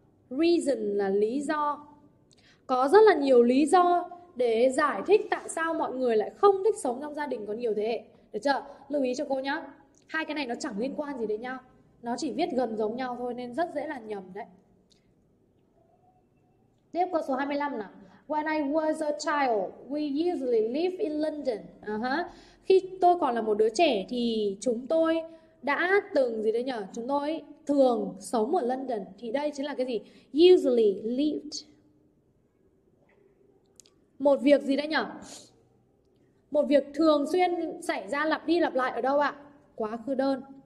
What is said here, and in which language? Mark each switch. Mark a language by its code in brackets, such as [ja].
[vi] Reason là lý do. Có rất là nhiều lý do để giải thích tại sao mọi người lại không thích sống trong gia đình có nhiều thế hệ. Được chưa? Lưu ý cho cô nhá. Hai cái này nó chẳng liên quan gì đến nhau. Nó chỉ viết gần giống nhau thôi nên rất dễ là nhầm đấy. Tiếp qua số 25 nào. [en] When I was a child, we usually live in London. [vi] Khi tôi còn là một đứa trẻ thì chúng tôi đã từng gì đấy nhở? Chúng tôi thường sống ở London. Thì đây chính là cái gì? [en] Usually lived. [vi] Một việc gì đấy nhở? Một việc thường xuyên xảy ra lặp đi lặp lại ở đâu ạ? Quá khứ đơn.